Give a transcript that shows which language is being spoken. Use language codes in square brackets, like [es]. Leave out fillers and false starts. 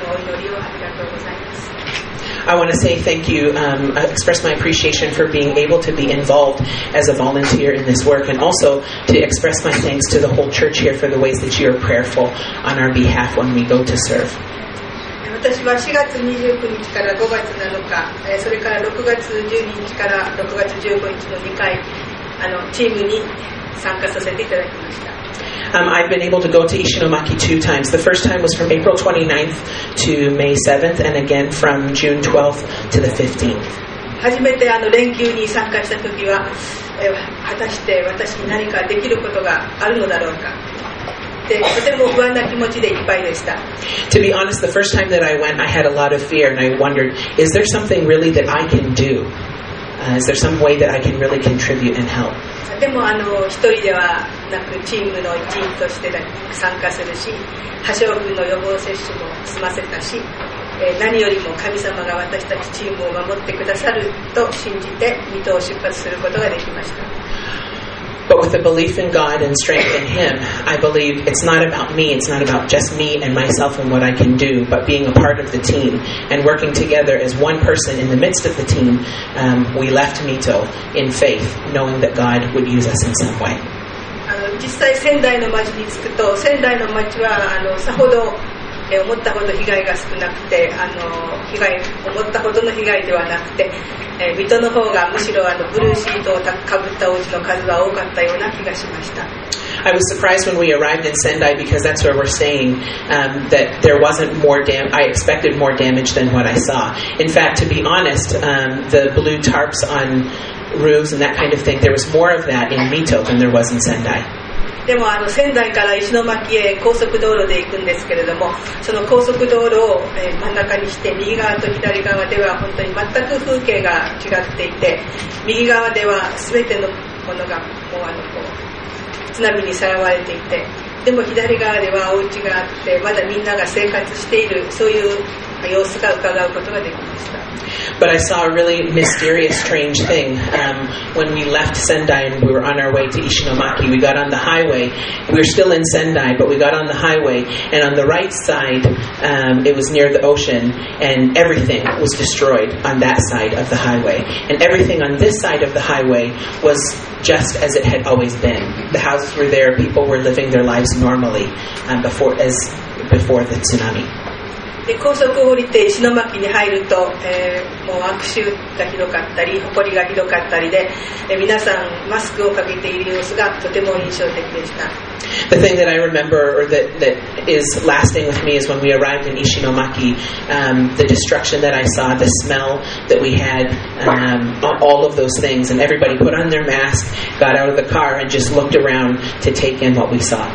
[en] I want to say thank you, express my appreciation for being able to be involved as a volunteer in this work, and also to express my thanks to the whole church here for the ways that you are prayerful on our behalf when we go to serve. [ja] 私は4月29日から5月7日、それから6月12日から6月15日の2回、チームに参加させていただきました。 [en] I've been able to go to Ishinomaki two times. The first time was from April 29th to May 7th, and again from June 12th to the 15th. [ja] 初めて連休に参加したときは、果たして私に何かできることがあるのだろうか。 [en] To be honest, the first time that I went, I had a lot of fear, and I wondered, is there something really that I can do? Is there some way that I can really contribute and help? [ja] でも一人ではなくチームの一員として参加するし、破傷風の予防接種も済ませたし、何よりも神様が私たちチームを守ってくださると信じて水戸を出発することができました。 [en] But with a belief in God and strength in Him, I believe it's not about me, it's not about just me and myself and what I can do, but being a part of the team and working together as one person in the midst of the team, we left Mito in faith, knowing that God would use us in some way. [ja] 実際仙台の町に着くと、仙台の町はさほど思ったほど被害が少なくて、被害、思ったほどの被害ではなくて、水戸の方がむしろブルーシートをかぶったお家の数が多かったような気がしました。 [en] I was surprised when we arrived in Sendai because that's where we're staying, that there wasn't more damage. I expected more damage than what I saw. In fact, to be honest, the blue tarps on roofs and that kind of thing, there was more of that in Mito than there was in Sendai. [ja] でも仙台から石巻へ高速道路で行くんですけれどもその高速道路を真ん中にして右側と左側では本当に全く風景が違っていて右側では全てのものがもうこう津波にさらわれていてでも左側ではお家があってまだみんなが生活しているそういう様子が伺うことができました。 [en] But I saw a really mysterious, strange thing. When we left Sendai and we were on our way to Ishinomaki, we got on the highway. We were still in Sendai, but we got on the highway. And on the right side, it was near the ocean, and everything was destroyed on that side of the highway. And everything on this side of the highway was just as it had always been. The houses were there, people were living their lives normally before the tsunami. [ja] で高速を降りて石巻に入ると、もう悪臭がひどかったり埃がひどかったりで、皆さんマスクをかけている様子がとても印象的でした。 [en] The thing that I remember or that is lasting with me is when we arrived in Ishinomaki, the destruction that I saw, the smell that we had, all of those things, and everybody put on their mask, got out of the car, and just looked around to take in what we saw.